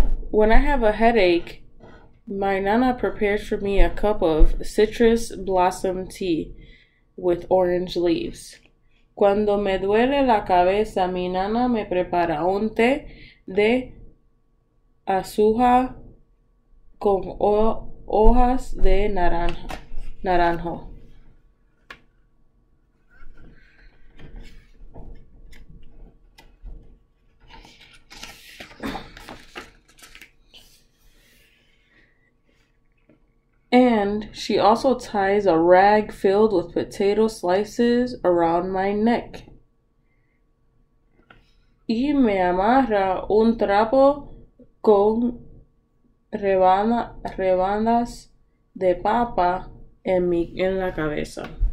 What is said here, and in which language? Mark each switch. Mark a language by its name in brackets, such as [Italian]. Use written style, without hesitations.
[English] When I have a headache, my Nana prepares for me a cup of citrus blossom tea with orange leaves. [Spanish] Cuando me duele la cabeza, mi Nana me prepara un té de azúcar con hojas de naranjo. [English] And she also ties a rag filled with potato slices around my neck. [Spanish] Y me amarra un trapo con rebanadas de papa en la cabeza.